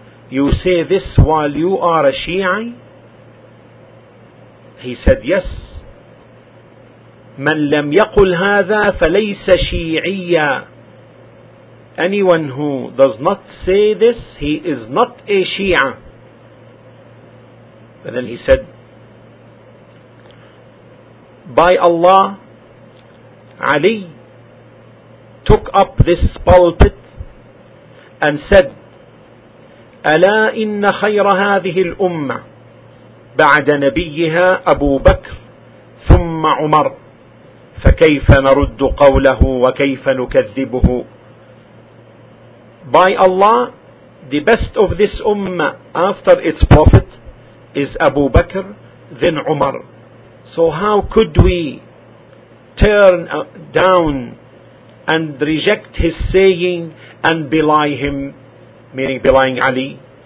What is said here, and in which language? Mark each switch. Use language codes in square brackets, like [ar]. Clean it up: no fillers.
[en] You say this while you are a Shi'i? He said, yes. [ar] من لم يقل هذا فليس شيعيا. [en] Anyone who does not say this, he is not a Shia. And then he said, by Allah, Ali took up this pulpit and said, [ar] ألا إن خير هذه الأمة بعد نبيها أبو بكر ثم عمر فكيف نرد قوله وكيف نكذبه. [en] By Allah, the best of this ummah after its prophet is Abu Bakr, then Umar. So how could we turn down and reject his saying and belie him, meaning belying Ali?